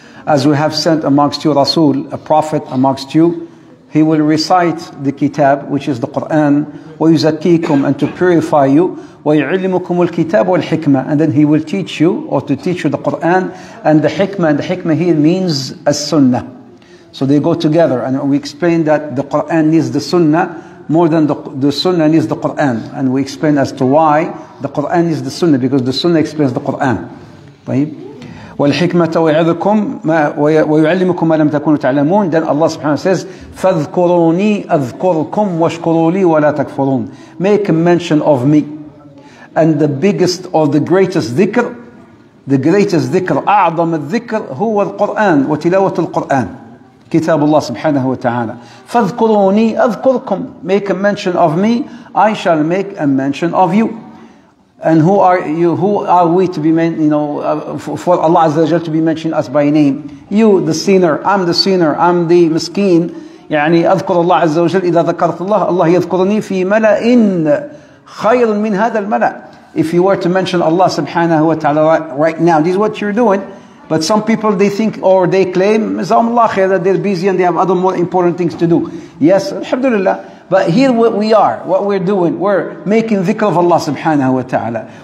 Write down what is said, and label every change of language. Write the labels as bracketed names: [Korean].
[English] As we have sent amongst you Rasul, a prophet amongst you, he will recite the kitab, which is the Quran, [Arabic] وَيُزَكِّيكُمْ, [English] and to purify you, [Arabic] وَيُعِلِّمُكُمُ الْكِتَابُ وَالْحِكْمَةِ, [English] and then he will teach you or to teach you the Quran and the hikmah, and the hikmah here means as-sunnah. So they go together, and we explain that the Quran needs the sunnah more than the sunnah needs the Quran, and we explain as to why the Quran needs the sunnah, because the sunnah explains the Quran. [Arabic] طيب والحكمة ويعذكم ويعلمكم ما لم تكونوا تعلمون. [English] Then Allah subhanahu says [Arabic] فاذكروني أذكركم واشكروا لي ولا تكفرون. [English] Make mention of me. And the biggest or the greatest [Arabic] ذكر, [English] the greatest [Arabic] ذكر, أعظم الذكر هو القرآن وتلاوة القرآن, كتاب الله سبحانه وتعالى. فاذكروني أذكركم. [English] Make a mention of me, I shall make a mention of you. And who are you? Who are we to be mentioned, you know, for Allah Azza wa Jal to be mentioning us by name? You, the sinner, I'm the sinner, I'm the miskeen. [Arabic] يعني أذكر الله عز وجل إذا ذكرت الله الله يذكرني في ملأ خير من هذا الملأ. [English] If you were to mention Allah subhanahu wa ta'ala right now, this is what you're doing. But some people, they think or they claim, [Arabic] جزاهم الله خير, [English] that they're busy and they have other more important things to do. Yes, alhamdulillah. But here what we are, what we're doing, we're making dhikr of Allah subhanahu wa ta'ala.